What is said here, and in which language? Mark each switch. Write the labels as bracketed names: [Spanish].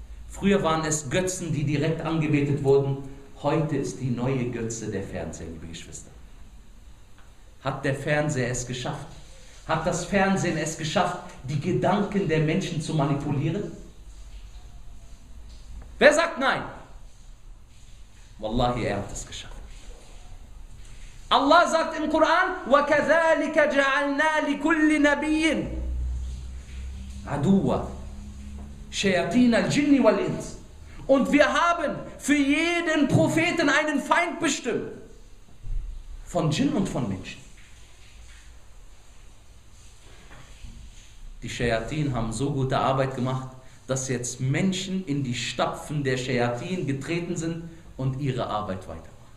[German] Früher waren es Götzen, die direkt angebetet wurden. Heute ist die neue Götze der Fernsehen, liebe Geschwister. Hat der Fernseher es geschafft? Hat das Fernsehen es geschafft, die Gedanken der Menschen zu manipulieren? Wer sagt nein? Wallahi, er hat es geschafft. Allah sagt im Koran, [Arabic] وَكَذَٰلِكَ جَعَلْنَا لِكُلِّ نَبِيٍ عَدُوَّ شَيَاطِينَ الْجِنِّ وَالْإِنْسِ. [German] Und wir haben für jeden Propheten einen Feind bestimmt. Von Dschinn und von Menschen. Die Schayatin haben so gute Arbeit gemacht, dass jetzt Menschen in die Stapfen der Schayatin getreten sind und ihre Arbeit weiter.